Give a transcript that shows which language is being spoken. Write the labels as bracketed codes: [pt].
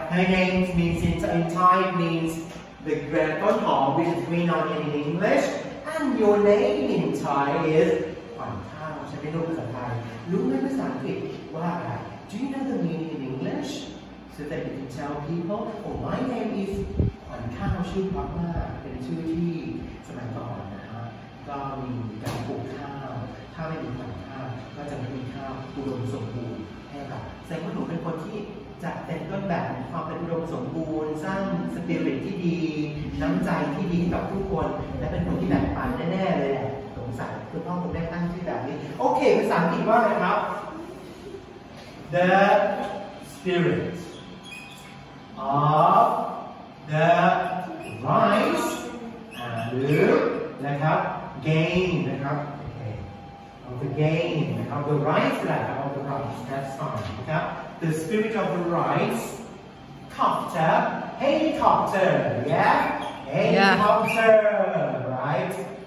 [en] Her name means in Thai means the red ต้นหอม which is green onion in English. And your name in Thai is [th] ขวัญข้าวใช่ไหมลูกภาษาไทยรู้ไหมภาษาอังกฤษว่าอะไร [en] Do you know the meaning in English? So that you can tell people, oh, my name is [th] ขวัญข้าวชื่อป๊อปมากเป็นชื่อที่สมัยก่อนนะฮะก็มีการปลูกข้าวถ้าไม่มีขวัญข้าวก็จะไม่มีข้าวอุดมสมบูรณ์ใช่ค่ะแสดงว่าหนูเป็นคนที่จะเป็นต้นแบบความเป็นอุดมสมบูรณ์สร้างสปิริตที่ดี น้ำใจที่ดีกับทุกคนและเป็นคนที่แบ่งปันแน่ๆเลยแหละสงสัยคุณพ่อคุณแม่ตั้งชื่อแบบนี้โอเคภาษาอังกฤษว่าไงครับ [en] The spiritOf the rice and the game, of the game, of the rice, that's fine, okay? The spirit of the rice, copter, helicopter, right?